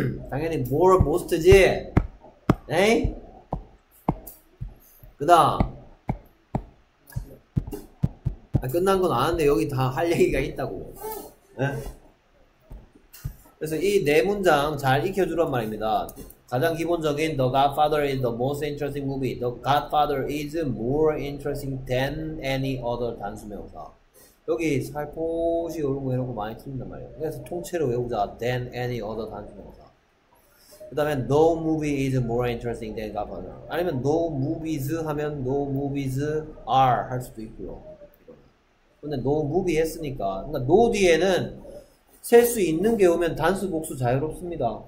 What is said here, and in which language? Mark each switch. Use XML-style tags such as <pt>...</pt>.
<ko>당연히 More, Most지. 에이? 그 다음 끝난 건 아는데 여기 다 할 얘기가 있다고. 네? 그래서 이 네 문장 잘 익혀주란 말입니다. 가장 기본적인</ko> <en>The Godfather is the most interesting movie. The Godfather is more interesting than any other 단수명사.</en> <ko>여기 살포시 이런 거 이런 거 많이 틀린단 말이에요. 그래서 통째로 외우자.</ko> <en>Than any other 단수명사.</en> <ko>그 다음에</ko> <en>No movie is more interesting than Godfather.</en> <ko>아니면</ko> <en>No movies</en> <ko>하면</ko> <en>No movies are</en> <ko>할 수도 있고요. 근데 No movie 했으니까 그러니까 No 뒤에는 셀 수 있는 게 오면 단수 복수 자유롭습니다.</ko>